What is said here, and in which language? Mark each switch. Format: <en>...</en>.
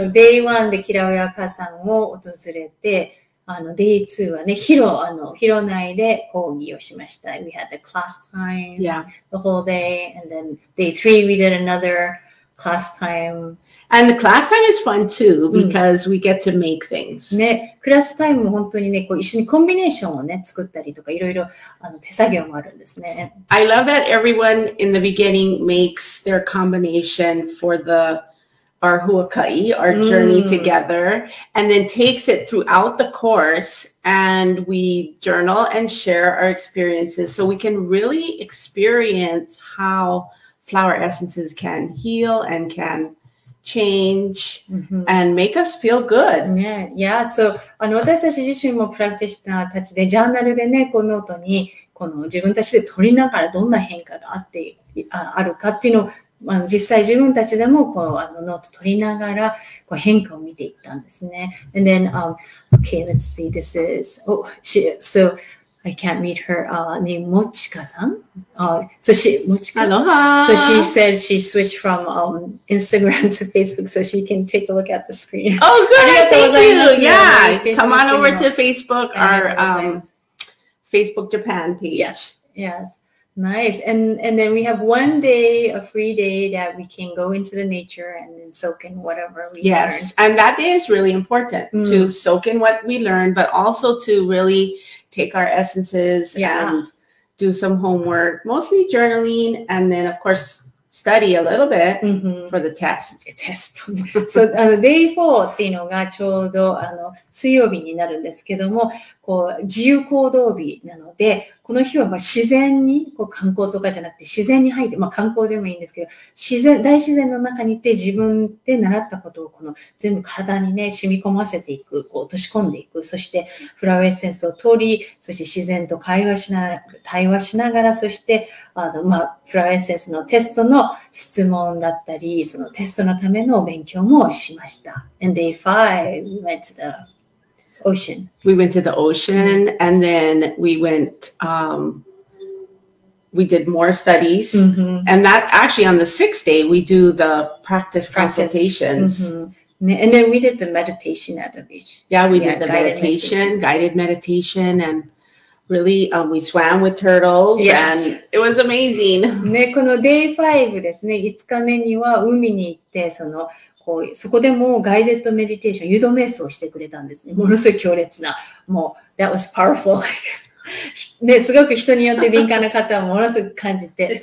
<en>So day one</en> <ja>でキラウェア火山を訪れて、Day 2はね、ヒロ内で講義をしました。</ja> <en>We had the class time、the whole day. And then day 3, we did another class time. And the class time is fun too, because、we get to make things.</en> <ja>ね、クラスタイムも本当にね、こう一緒にコンビネーションをね、作ったりとか、いろいろ手作業もあるんですね。</ja> <en>I love that everyone in the beginning makes their combination for the... our huaka'i, our journey together, and then takes it throughout the course, and we journal and share our experiences so we can really experience how flower essences can heal and can change、and make us feel good. Yeah, yeah.</en> <ja>So, 私たち自身もプラクティショナーたちで、ジャーナルでね、こうノートに、この自分たちで取りながらどんな変化があって、あるかっていうのを実際自分たちでもこうノート取りながらこう変化を見ていったんですね。</ja> <en>And then, okay, let's see, this is, oh, she, so I can't read her name, Mochika-san. So she, Mochika. Aloha. So she said she switched from Instagram to Facebook so she can take a look at the screen. Oh, good. Thank you. Yeah. Come on over to Facebook, our Facebook Japan page. Yes. Yes. Nice. And then we have one day, a free day that we can go into the nature and then soak in whatever we yes. learn. Yes. And that day is really important、to soak in what we learn, but also to really take our essences、and do some homework, mostly journaling. And then, of course, study a little bit、for the test. So day four</en> <ja>っていうのがちょうど水曜日になるんですけども、こう自由行動日なので、この日はまあ自然にこう観光とかじゃなくて自然に入って、まあ、観光でもいいんですけど自然大自然の中に行って自分で習ったことをこの全部体に、ね、染み込ませていくこう落とし込んでいくそしてフラワーエッセンスを取りそして自然と会話しながら対話しながらそしてまあフラワーエッセンスのテストの質問だったりそのテストのための勉強もしました</ja> <en>And day 5 we went to theOcean. We went to the ocean and then we went, we did more studies. And that actually on the sixth day, we do the practice consultations. And then we did the meditation at the beach. Yeah, we did the guided meditation and really we swam with turtles. Yes. And it was amazing.</en> <ja>ね、このデイファイブですね。5日目には海に行って、そのこうそこでもうガイデッドメディテーション、誘導瞑想をしてくれたんですね。ものすごい強烈な、もう、</ja> <en>That was powerful.</en> <ja>ね、すごく人によって敏感な方はものすごく感じて。</ja>